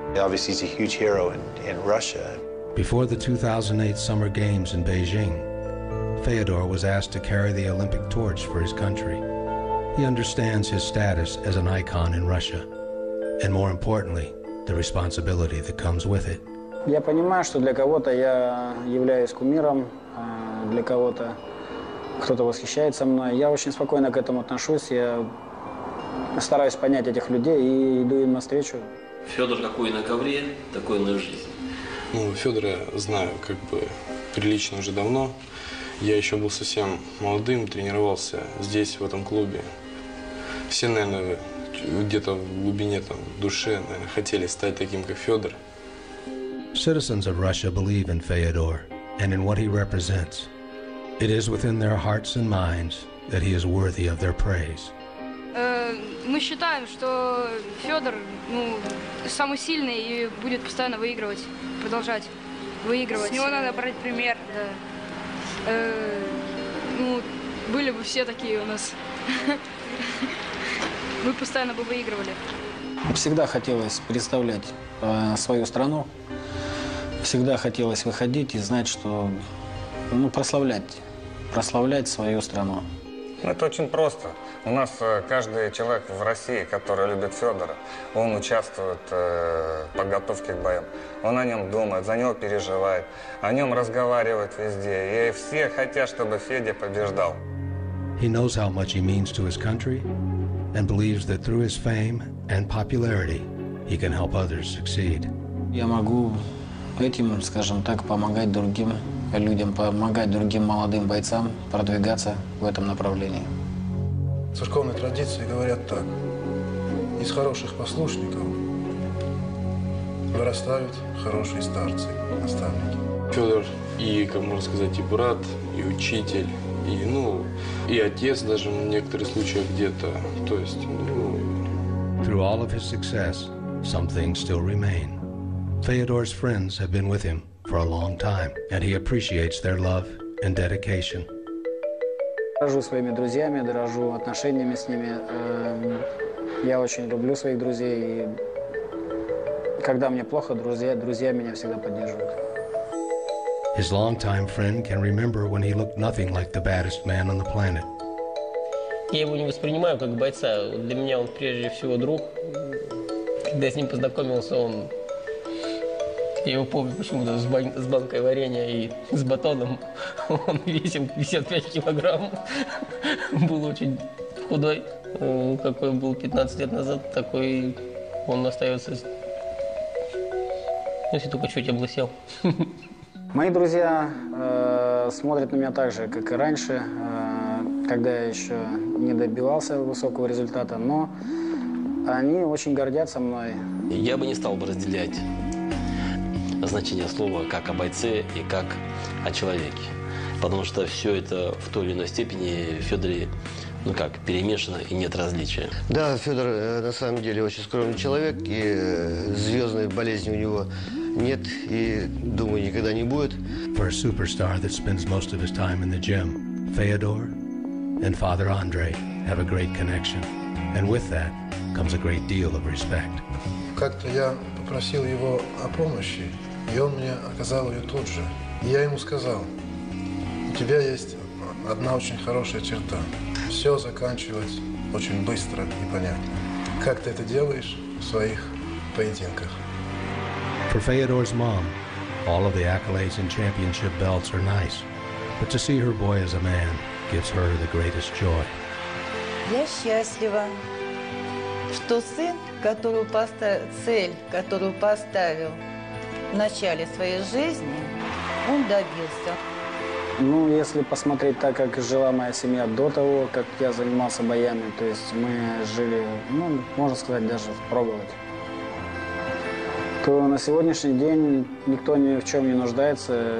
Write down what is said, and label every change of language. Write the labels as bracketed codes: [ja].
[en] Obviously, he's a huge hero in Russia. Before the 2008 Summer Games in Beijing, Fedor was asked to carry the Olympic torch for his country. He understands his status as an icon in Russia, and more importantly, the responsibility that comes with it. [ru] Я понимаю, что для кого-то я являюсь кумиром, для кого-то кто-то восхищается мной. Я очень спокойно к этому отношусь. Я стараюсь понять этих людей и иду им навстречу. Фёдор какой на ковре, такой на жизнь. Ну, Фёдора знаю как бы прилично уже давно. Я еще был совсем молодым, тренировался здесь, в этом клубе. Все, наверное, где-то в глубине там, в душе, наверное, хотели стать таким, как Федор. [en] Citizens of Russia believe in Fedor and in what he represents. It is within their hearts and minds that he is worthy of their praise. [ru] Мы считаем, что Федор, ну, самый сильный и будет постоянно выигрывать, продолжать выигрывать. С него надо брать пример. Да. Ну, были бы все такие у нас. Мы постоянно бы выигрывали. Всегда хотелось представлять свою страну. Всегда хотелось выходить и знать, что ну, прославлять свою страну. Это очень просто. У нас каждый человек в России, который любит Федора, он участвует в подготовке к боям. Он о нем думает, за него переживает, о нем разговаривает везде. И все хотят, чтобы Федя побеждал. [en] He knows how much he means to his country and believes that through his fame and popularity he can help others succeed. [ru] Я могу этим, скажем так, помогать другим людям, помогать другим молодым бойцам продвигаться в этом направлении. В церковной традиции говорят так: из хороших послушников вырастают хорошие старцы, наставники. Федор и, как можно сказать, и брат, и учитель, и, ну, и отец даже в некоторых случаях где-то. То есть, ну... [en] Through all of his success, some things still remain. Феодор's friends have been with him for a long time, and he appreciates their love and dedication. [ru] Дорожу своими друзьями, дорожу отношениями с ними. Я очень люблю своих друзей, и когда мне плохо, друзья меня всегда поддерживают. [en] His longtime friend can remember when he looked nothing like the baddest man on the planet. [ru] Я его не воспринимаю как бойца. Для меня он прежде всего друг. Когда я с ним познакомился, он... Я его помню почему-то с банкой варенья и с батоном. Он весил 55 килограмм. Был очень худой. Какой был 15 лет назад, такой он остается. Если только чуть облысел. Мои друзья смотрят на меня так же, как и раньше, когда я еще не добивался высокого результата, но они очень гордятся мной. Я бы не стал бы разделять значение слова как о бойце и как о человеке. Потому что все это в той или иной степени в Федоре, ну как, перемешано и нет различия. Да, Федор на самом деле очень скромный человек, и звездной болезни у него нет, и, думаю, никогда не будет. [en] For a superstar that spends most of his time in the gym, Fedor and Father Andre have a great connection. And with that comes a great deal of respect. [ru] Как-то я попросил его о помощи, и он мне оказал ее тут же. И я ему сказал, у тебя есть одна очень хорошая черта. Все заканчивать очень быстро и понятно. Как ты это делаешь в своих поединках? [en] For Feodor's mom, all of the accolades and championship belts are nice. But to see her boy as a man gives her the greatest joy. [ru] Я счастлива, что сын, которую цель, которую поставил в начале своей жизни, он добился. Ну, если посмотреть так, как жила моя семья до того, как я занимался боями, то есть мы жили, ну, можно сказать, даже впроголодь, то на сегодняшний день никто ни в чем не нуждается.